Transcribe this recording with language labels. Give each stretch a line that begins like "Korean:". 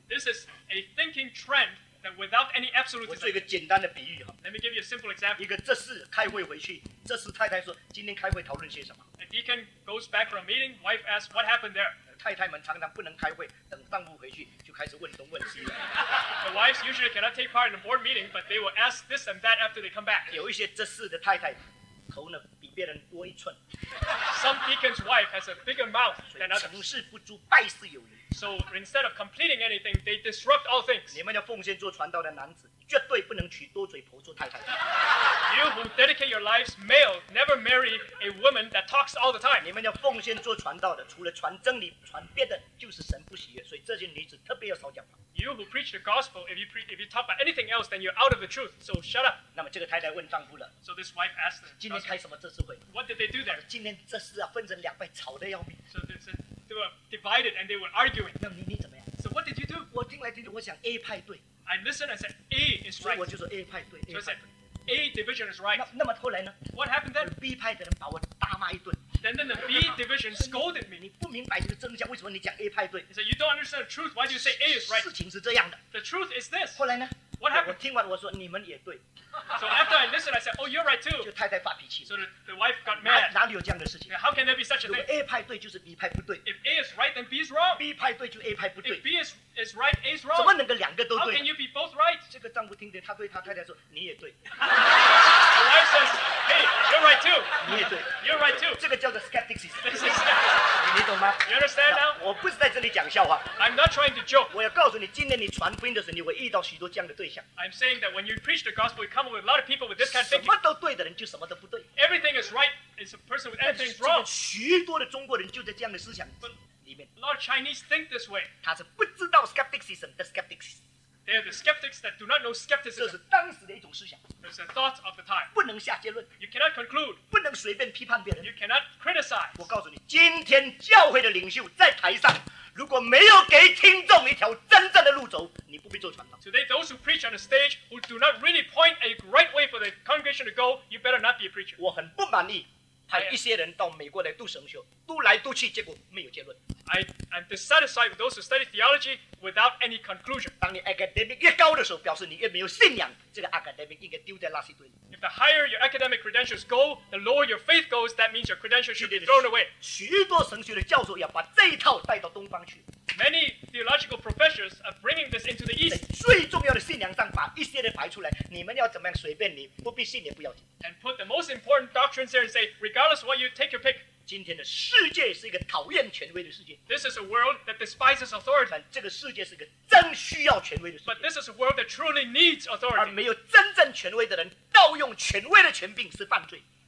English: This is a thinking trend that without any absolute
Chinese: desire. 我做一个简单的比喻哈。
English: Let me give you a simple example.
Chinese: 一个这事开会回去，这事太太说今天开会讨论些什么。
English: A deacon goes back from a meeting. Wife asks, "What happened there?"
Chinese: 太太们常常不能开会，等丈夫回去就开始问东问西了。
English: The wives usually cannot take part in a board meeting, but they will ask this and that after they come back.
Chinese: 有一些这事的太太。头呢比别人多一寸。
English: Some deacon's wife has a bigger mouth than others.
Chinese: 成事不足，败事有余。
English: So instead of completing anything, they disrupt all things.
Chinese: 你们要奉献做传道的男子，绝对不能娶多嘴婆做太太。
English: You who dedicate your lives, male, never marry a woman that talks all the time.
Chinese: 你们要奉献做传道的，除了传真理，传别的就是神不喜悦。所以这些女子特别要少讲话。
English: You who preach the gospel, if you talk about anything else, then you're out of the truth. So shut up.
Chinese: 那么这个太太问丈夫了。
English: So this wife asked them.
Chinese: 今天开什么这次会？
English: What did they do there?
Chinese: 今天这事啊，分成两派，吵得要命。
English: So they were divided and they were arguing.
Chinese: 那你怎么样？
English: So what did you do?
Chinese: 我听来听去，我想 A 派对。
English: I listened and said A is right.
Chinese: 所以我就说 A 派对。
English: So I said A division is right.
Chinese: 那么后来呢？
English: What happened then?
Chinese: B 派的人把我大骂一顿。
English: Then the B division scolded me.
Chinese: 你不明白这个真相，为什么你讲 A 派对？
English: He said, "You don't understand the truth. Why do you say A is right?"
Chinese: 事情是这样的。
English: The truth is this.
Chinese: 后来呢？
English: What happened?
Chinese: 我听完我说你们也对。
English: So after I listened, I said, "Oh, you're right too."
Chinese: 就太太发脾气。
English: So the wife got mad.
Chinese: 哪里有这样的事情？
English: How can there be such a thing?
Chinese: A 派对就是 B 派不对。
English: If A is right, then B is wrong.
Chinese: B 派对就 A 派不对。
English: If B is right, A is wrong.
Chinese: 怎么能够两个都对？
English: How can you be both right?
Chinese: 这个丈夫听见，他对他太太说：“你也对。
English: ”The wife says, "Hey, you're right too."
Chinese: 你也对。
English: You're right too.
Chinese: 这个叫做 skepticism. 你懂吗？
English: You understand now?
Chinese: 我不是在这里讲笑话。
English: I'm not trying to joke.
Chinese: 我要告诉你，今天你传福音的时候，你会遇到许多这样的对象。
English: I'm saying that when you preach the gospel, you come up with a lot of people with this kind of thinking.
Chinese: 什么都对的人就什么都不对。
English: Everything is right. It's a person with everything wrong.
Chinese: 许多的中国人就在这样的思想里面。
English: A lot of Chinese think this way.
Chinese: 他是不知道 skepticism 的 skeptics。
English: They are the skeptics that do not know skepticism.
Chinese: 这是当时的一种思想。
English: It's a thought of the time.
Chinese: 不能下结论。
English: You cannot conclude.
Chinese: 不能随便批判别人。
English: You cannot criticize.
Chinese: 我告诉你，今天教会的领袖在台上，如果没有给听众一条真正的路走，你不必做传道。
English: Today, those who preach on the stage who do not really point a right way for the congregation to go, you better not be a preacher.
Chinese: 我很不满意，派一些人到美国来读神学，读来读去，结果没有结论。
English: I'm dissatisfied with those who study theology without any conclusion.
Chinese: 当你 academic 越高的时候，表示你越没有信仰。这个 academic 应该丢在垃圾堆里。
English: If the higher your academic credentials go, the lower your faith goes. That means your credentials should be thrown away.
Chinese: 许多神学的教授要把这一套带到东方去。
English: Many theological professors are bringing this into the East.
Chinese: 最重要的信仰上把一些人排出来，你们要怎么样随便你，不必信也不要紧。
English: And put the most important doctrines there and say, regardless of what you take your pick.
Chinese: 今天的世界是一个讨厌权威的世界。
English: This is a world that despises authority.
Chinese: 但这个世界是一个真需要权威的世界。
English: But this is a world that truly needs authority.
Chinese: 而没有真正权威的人，盗用权威的权柄是犯罪。